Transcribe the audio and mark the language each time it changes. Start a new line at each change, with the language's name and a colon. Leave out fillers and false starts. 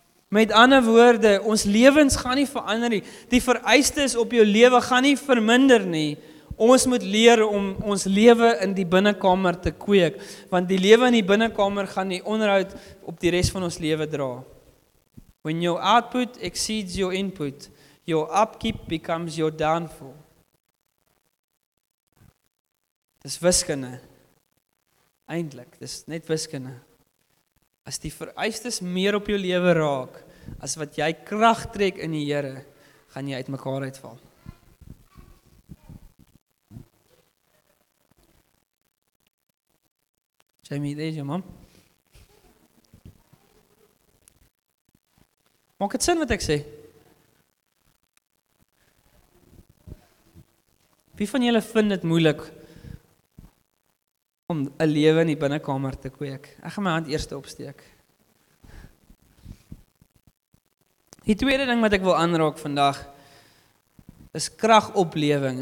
Afrikaans: Met ander woorde, ons lewens gaan nie verander nie, die vereistes op jou lewe gaan nie verminder nie, ons moet leer om ons lewe in die binnekamer te kweek, want die lewe in die binnekamer gaan die onderhoud op die res van ons lewe dra.
English: When your output exceeds your input, your upkeep becomes your downfall.
Afrikaans: Dis wiskunde. Eindelijk, dis net wiskunde. As die vereistes meer op jou lewe raak, as wat jy krag trek in die Here, gaan jy uit mekaar uitval.
English: Jamie, there's your mom.
Afrikaans: Maak het sin wat ek sê? Wie van julle vind het moeilik om 'n lewe in die binnekamer te kweek? Ek gaan my hand eerste opsteek. Die tweede ding wat ek wil aanraak vandag is kragopleving.